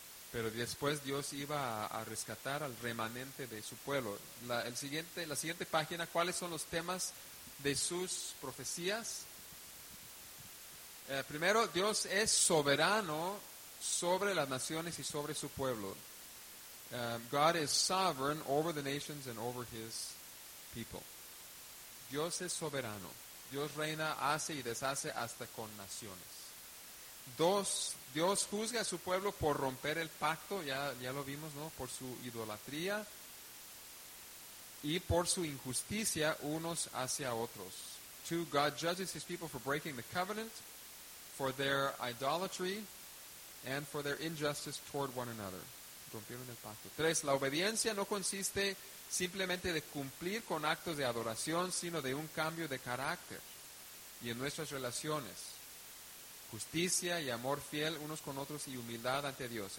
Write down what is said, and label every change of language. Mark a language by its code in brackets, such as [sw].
[es] Pero después Dios iba a rescatar al remanente de su pueblo. La siguiente página, ¿cuáles son los temas de sus profecías? Primero, Dios es soberano sobre las naciones y sobre su pueblo. [en] God is sovereign over the nations and over his people. [es] Dios es soberano. Dios reina, hace y deshace hasta con naciones. Dos, Dios juzga a su pueblo por romper el pacto, ya lo vimos, ¿no? Por su idolatría y por su injusticia unos hacia otros. 2. [en] God judges his people for breaking the covenant, for their idolatry, and for their injustice toward one another. [es] Rompieron el pacto. 3. La obediencia no consiste simplemente de cumplir con actos de adoración, sino de un cambio de carácter y en nuestras relaciones. Justicia y amor fiel unos con otros y humildad ante Dios.